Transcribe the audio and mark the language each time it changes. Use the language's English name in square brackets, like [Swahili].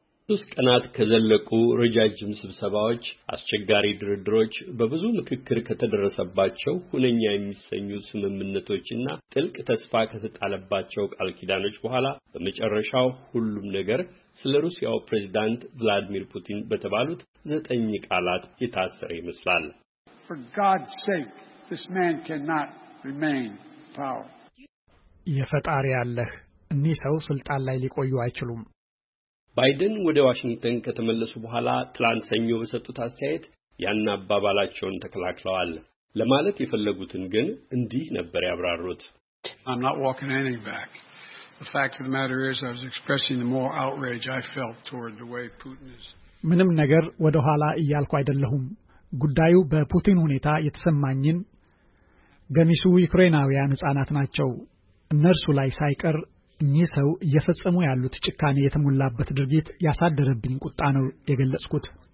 [Amharic] ሶስት ቀናት ከዘለቁ ረጃጅም ስብሰባዎች፣ አስቸጋሪ ድርድሮች፣ በብዙ ምክክር ከተደረሰባቸው ሁነኛ የሚሰኙ ስምምነቶችና ጥልቅ ተስፋ ከተጣለባቸው ቃል ኪዳኖች በኋላ በመጨረሻው ሁሉም ነገር ስለ ሩሲያው ፕሬዚዳንት ቭላዲሚር ፑቲን በተባሉት 9 ቃላት የታሰረ ይመስላል። [English] For God's sake, this man cannot remain power. [Amharic] የፈጣሪ ያለህ እኒህ ሰው ስልጣን ላይ ሊቆዩ አይችሉም። ባይደን ወደ ዋሽንግተን ከተመለሱ በኋላ ትላንት ሰኞ በሰጡት አስተያየት ያን አባባላቸውን ተከላክለዋል። ለማለት የፈለጉትን ግን እንዲህ ነበር ያብራሩት። [English] I'm not walking anything back. The fact of the matter is I was expressing the more outrage I felt toward the way Putin is. [Amharic] ምንም ነገር ወደ ኋላ እያልኩ አይደለሁም። ጉዳዩ በፑቲን ሁኔታ የተሰማኝን ገሚሱ ዩክሬናውያን ህጻናት ናቸው። እነርሱ ላይ ሳይቀር እኚህ ሰው እየፈጸሙ ያሉት ጭካኔ የተሞላበት ድርጊት ያሳደረብኝ ቁጣ ነው የገለጽኩት።